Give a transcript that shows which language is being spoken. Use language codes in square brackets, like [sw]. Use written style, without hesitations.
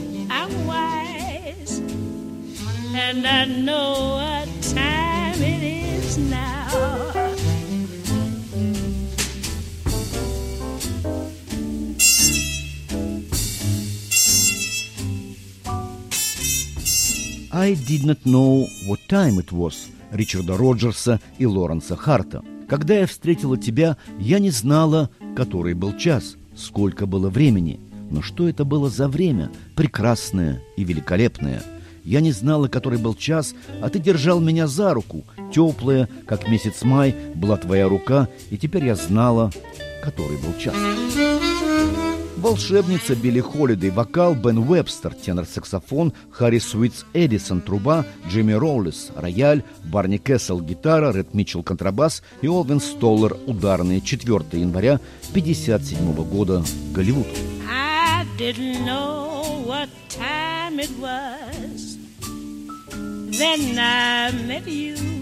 [en] I'm wise, and I know what time it is now. I did not know what time it was. [ru] Ричарда Роджерса и Лоренса Харта. «Когда я встретила тебя, я не знала, который был час, сколько было времени. Но что это было за время, прекрасное и великолепное? Я не знала, который был час, а ты держал меня за руку. Теплая, как месяц май, была твоя рука, и теперь я знала, который был час. Волшебница Билли Холлидей, вокал Бен Уэбстер, тенор-саксофон Харри Суитс Эдисон, труба Джимми Роулис, рояль Барни Кессел, гитара Ред Митчелл, контрабас и Олвин Столлер, ударные. 4 января 57 года, Голливуд. [en] I didn't know what time it was, then I met you.